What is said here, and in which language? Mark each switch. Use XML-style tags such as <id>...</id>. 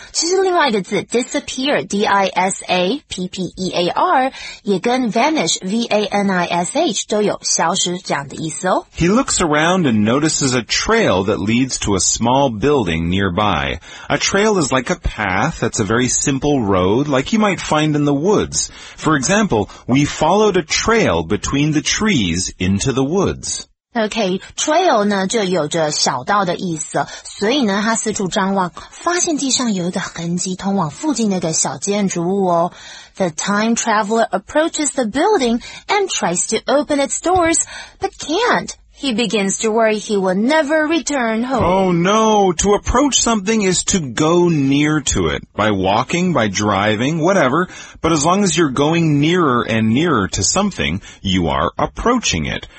<zh>其实另外一个字 disappear, D-I-S-A-P-P-E-A-R, 也跟 vanish, V-A-N-I-S-H, 都有消失这样的意思哦。</zh> <en>He looks around and notices a trail that leads to a small building nearby. A trail is like a path, that's a very simple road, like you might find in the woods. For example, we followed a trail between the trees into the woods.</en> <zh>Okay, trail 呢就有着小道的意思，所以呢他四处张望，发现地上有一个痕迹通往附近的一个小建筑物哦。</zh> <en>The time traveler approaches the building and tries to open its doors, but can't. He begins to worry he will never return home. Oh no, to approach something is to go near to it, by walking, by driving, whatever, but as long as you're going nearer and nearer to something, you are approaching it.</en>